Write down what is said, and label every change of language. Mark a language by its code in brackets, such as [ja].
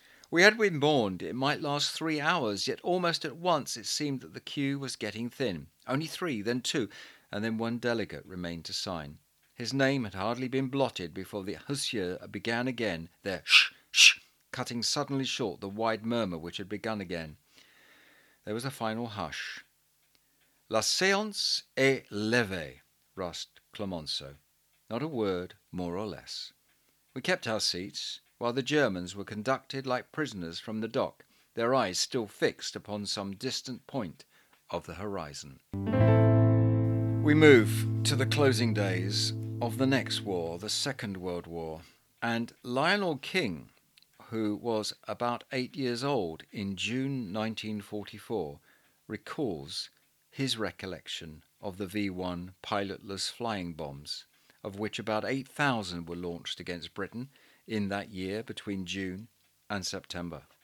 [en] We had been warned it might last 3 hours, yet almost at once it seemed that the queue was getting thin. Only three, then two, and then one delegate remained to sign. His name had hardly been blotted before the hussier began again, their shh, shh, cutting suddenly short the wide murmur which had begun again. There was a final hush. [fr] La séance est levée, [en] rasped [fr] Clemenceau. [en] Not a word, more or less. We kept our seats, while the Germans were conducted like prisoners from the dock, their eyes still fixed upon some distant point of the horizon. We move to the closing days of the next war, the Second World War, and Lionel King, who was about 8 years old in June 1944, recalls his recollection of the V-1 pilotless flying bombs, of which about 8,000 were launched against Britain in that year between June and September.